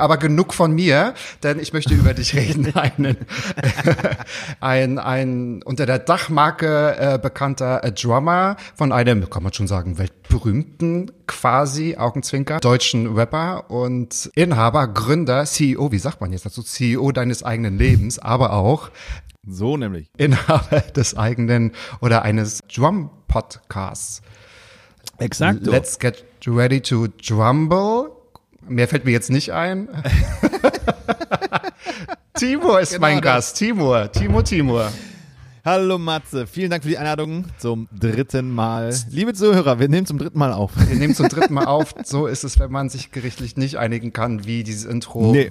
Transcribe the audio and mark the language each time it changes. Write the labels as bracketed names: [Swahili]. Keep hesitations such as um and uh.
[German] Aber genug von mir, denn ich möchte über dich reden. Einen, ein, ein unter der Dachmarke äh, bekannter äh, Drummer von einem, kann man schon sagen, weltberühmten quasi Augenzwinker, deutschen Rapper und Inhaber, Gründer, CEO, wie sagt man jetzt dazu, also CEO deines eigenen Lebens, aber auch so nämlich Inhaber des eigenen oder eines Drum Podcasts. Exakt. [English] Let's get ready to drumble. [German] Mehr fällt mir jetzt nicht ein. Timur ist genau. mein Gast. Timur, Timur, Timur. Hallo Matze, vielen Dank für die Einladung zum dritten Mal. Liebe Zuhörer, wir nehmen zum dritten Mal auf. Wir nehmen zum dritten Mal auf. So ist es, wenn man sich gerichtlich nicht einigen kann, wie dieses Intro nee.